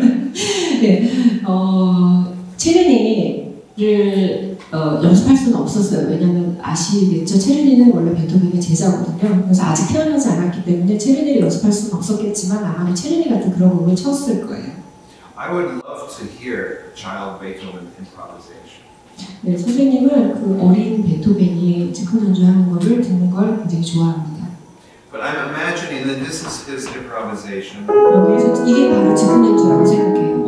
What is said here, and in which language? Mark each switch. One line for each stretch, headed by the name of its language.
English: Something like that.
Korean: 네, 연습할 수는 없었어요. 왜냐하면 아시겠죠? 체르니는 원래 베토벤의 제자거든요. 그래서 아직 태어나지 않았기 때문에 체르니를 연습할 수는 없었겠지만 아마 체르니 같은 그런 곡을 쳤을 거예요.
English: I would love to hear child Beethoven improvisation.
Korean: 네, 선생님은 그 어린 베토벤이 체크 연주하는 거를 듣는 걸 굉장히 좋아합니다.
English: But I'm imagining that this is his improvisation.
Korean: 여기서 이게 바로 체크 연주라고 생각해요.